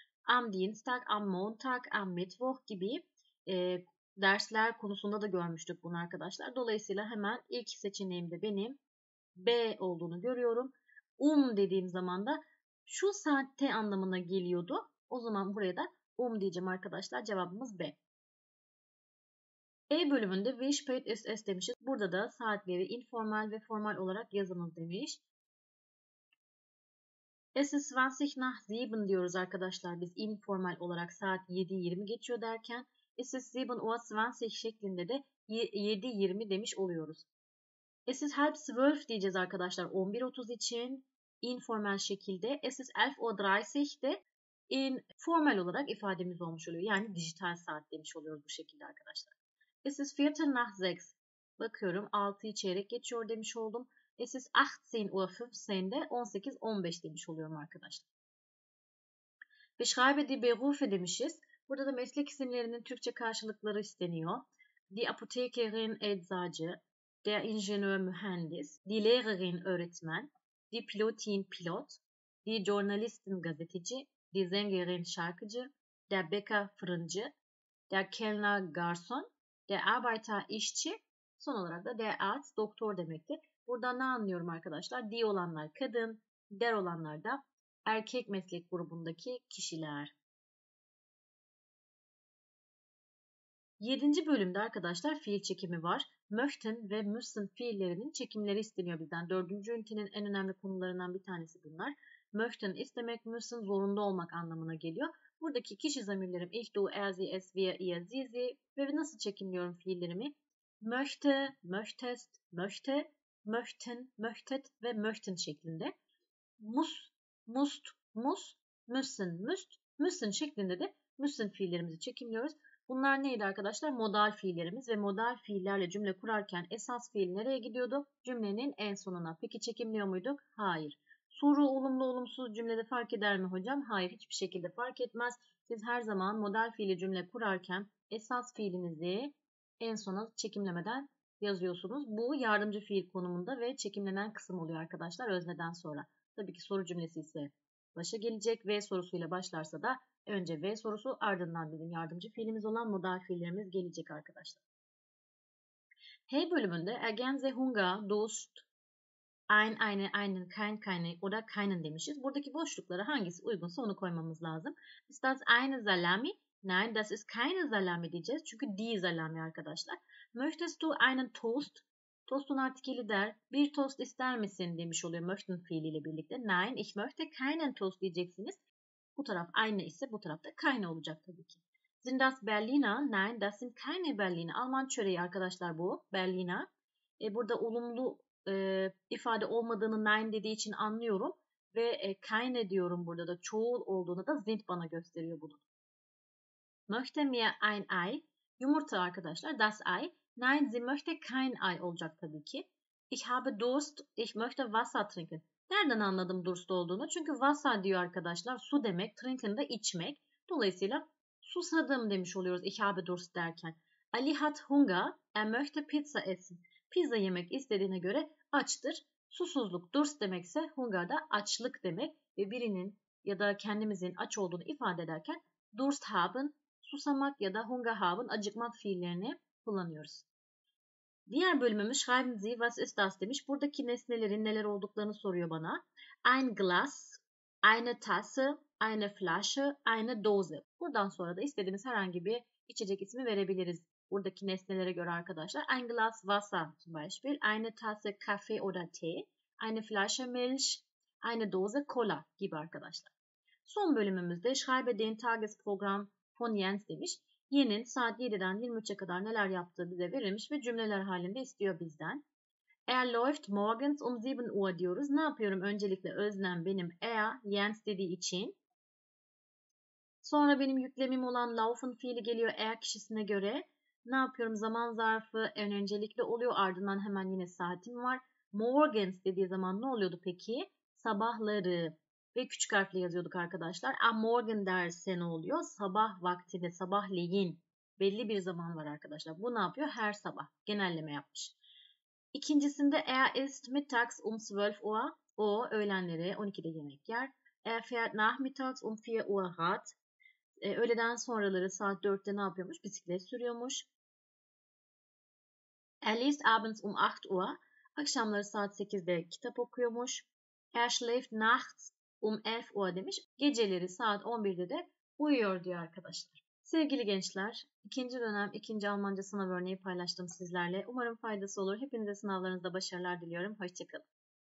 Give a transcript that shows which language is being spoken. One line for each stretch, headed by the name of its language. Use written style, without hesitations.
German: Am Dienstag, am Montag, am Mittwoch
Turkish: gibi dersler konusunda da görmüştük bunu arkadaşlar. Dolayısıyla hemen ilk seçeneğimde benim B olduğunu görüyorum. Dediğim zaman da şu saatte anlamına geliyordu. O zaman buraya da diyeceğim arkadaşlar. Cevabımız B. E bölümünde
German: wie spät ist es
Turkish: demişiz. Burada da saatleri informal ve formal olarak yazınız demiş.
German: Es ist 20 nach 7
Turkish: diyoruz arkadaşlar. Biz informal olarak saat 7.20 geçiyor derken
German: es ist 7 Uhr 20
Turkish: şeklinde de 7.20 demiş oluyoruz.
German: Es ist halb 12
Turkish: diyeceğiz arkadaşlar 11.30 için informal şekilde.
German: Es ist 11 Uhr 30
Turkish: de informal olarak ifademiz olmuş oluyor. Yani dijital saat demiş oluyoruz bu şekilde arkadaşlar.
German: Es ist Viertel nach 6.
Turkish: Bakıyorum 6'yı çeyrek geçiyor demiş oldum.
German: Es ist 18 Uhr 15'de
Turkish: 18.15 demiş oluyorum arkadaşlar.
German: Beschreibe die Berufe demişiz.
Turkish: Burada da meslek isimlerinin Türkçe karşılıkları isteniyor.
German: Die Apothekerin eczacı, der Ingenieur mühendis, die Lehrerin öğretmen, die Pilotin pilot, die Journalistin gazeteci, die Sängerin şarkıcı, der Bäcker fırıncı, der Kellner garson, der Arbeiter işçi, son olarak da der Arzt doktor demektir.
Turkish: Buradan ne anlıyorum arkadaşlar? Die olanlar kadın, der olanlar da erkek meslek grubundaki kişiler. 7. bölümde arkadaşlar fiil çekimi var. Möchten ve müssen fiillerinin çekimleri isteniyor bizden. 4. ünitenin en önemli konularından bir tanesi bunlar. möchten istemek, müssen zorunda olmak anlamına geliyor. Buradaki kişi zamirlerim ich, du, er, sie, es, wir, ihr, sie, sie ve nasıl çekimliyorum fiillerimi?
German: Möchte, möchtest, möchte, möchten, möchtet ve möchten şeklinde. Muss, must, muss, müssen, müsst, müssen şeklinde de müssen fiillerimizi çekimliyoruz.
Turkish: Bunlar neydi arkadaşlar? Modal fiillerimiz ve modal fiillerle cümle kurarken esas fiil nereye gidiyordu? Cümlenin en sonuna. Peki çekimliyor muyduk? Hayır. Soru olumlu olumsuz cümlede fark eder mi hocam? Hayır, hiçbir şekilde fark etmez. Siz her zaman modal fiili cümle kurarken esas fiilinizi en sona çekimlemeden yazıyorsunuz. Bu yardımcı fiil konumunda ve çekimlenen kısım oluyor arkadaşlar özneden sonra. Tabii ki soru cümlesi ise başa gelecek ve sorusuyla başlarsa da önce ve sorusu ardından bizim yardımcı fiilimiz olan modal fiillerimiz gelecek arkadaşlar. H bölümünde ergen zehunga dost ein eine einen kein keine oder keinen demişiz. Buradaki boşluklara hangisi uygunsa onu koymamız lazım.
German: Ist das eine salami? Nein, das ist keine salami
Turkish: diyeceğiz. Çünkü die salami arkadaşlar.
German: Möchtest du einen toast?
Turkish: Tostun artikeli der. Bir tost ister misin demiş oluyor möchten fiiliyle birlikte.
German: Nein, ich möchte keinen toast
Turkish: diyeceksiniz. Bu taraf eine ise bu taraf da keine olacak tabii ki.
German: Sind das Berliner? Nein, das sind keine Berliner.
Turkish: Alman çöreği arkadaşlar bu. Berliner. Burada olumlu ifade olmadığını nein dediği için anlıyorum. Ve keine diyorum burada da çoğul olduğunu da sind bana gösteriyor bunu.
German: Möchte mir ein Ei?
Turkish: Yumurta arkadaşlar.
German: Das Ei. Nein, sie möchte kein Ei
Turkish: olacak tabii ki.
German: Ich habe Durst. Ich möchte Wasser trinken.
Turkish: Nereden anladım Durst olduğunu? Çünkü Wasser diyor arkadaşlar. Su demek. Trinken de içmek. Dolayısıyla susadım demiş oluyoruz.
German: Ich habe Durst derken. Ali hat Hunger. Er möchte Pizza essen.
Turkish: Pizza yemek istediğine göre açtır. Susuzluk. Durst demekse Hunger da açlık demek. Ve birinin ya da kendimizin aç olduğunu ifade ederken Durst haben. Susamak ya da Hunger haben. Acıkmak fiillerini kullanıyoruz. Diğer bölümümüz
German: Schreiben Sie was ist das
Turkish: demiş. Buradaki nesnelerin neler olduklarını soruyor bana.
German: Ein Glas, eine Tasse, eine Flasche, eine Dose.
Turkish: Buradan sonra da istediğimiz herhangi bir içecek ismi verebiliriz. Buradaki nesnelere göre arkadaşlar.
German: Ein Glas Wasser zum Beispiel. Eine Tasse Kaffee oder Tee. Eine Flasche Milch. Eine Dose Cola
Turkish: gibi arkadaşlar. Son bölümümüzde
German: Schreibe den Tagesprogramm von Jens
Turkish: demiş. Yen'in saat 7'den 23'e kadar neler yaptığı bize verilmiş ve cümleler halinde istiyor bizden.
German: Er läuft morgens um 7 Uhr
Turkish: diyoruz. Ne yapıyorum? Öncelikle öznem benim er, Jens dediği için. Sonra benim yüklemim olan laufen fiili geliyor er kişisine göre. Ne yapıyorum? Zaman zarfı en öncelikli oluyor. Ardından hemen yine saatim var. Morgens dediği zaman ne oluyordu peki? Sabahları. Ve küçük harfle yazıyorduk arkadaşlar. A morgen derse ne oluyor? Sabah vaktinde, sabahleyin. Belli bir zaman var arkadaşlar. Bu ne yapıyor? Her sabah. Genelleme yapmış.
German: İkincisinde er ist mittags um 12 Uhr.
Turkish: O öğlenleri 12'de yemek yer.
German: Er fährt nachmittags um 4 Uhr Rad.
Turkish: Öğleden sonraları saat 4'te ne yapıyormuş? Bisiklet sürüyormuş.
German: Er liest abends um 8 Uhr.
Turkish: Akşamları saat 8'de kitap okuyormuş.
German: Er schläft nachts um 11 Uhr demiş.
Turkish: Geceleri saat 11'de de uyuyor diyor arkadaşlar. Sevgili gençler, ikinci dönem ikinci Almanca sınav örneği paylaştım sizlerle. Umarım faydası olur. Hepinize sınavlarınızda başarılar diliyorum. Hoşça kalın.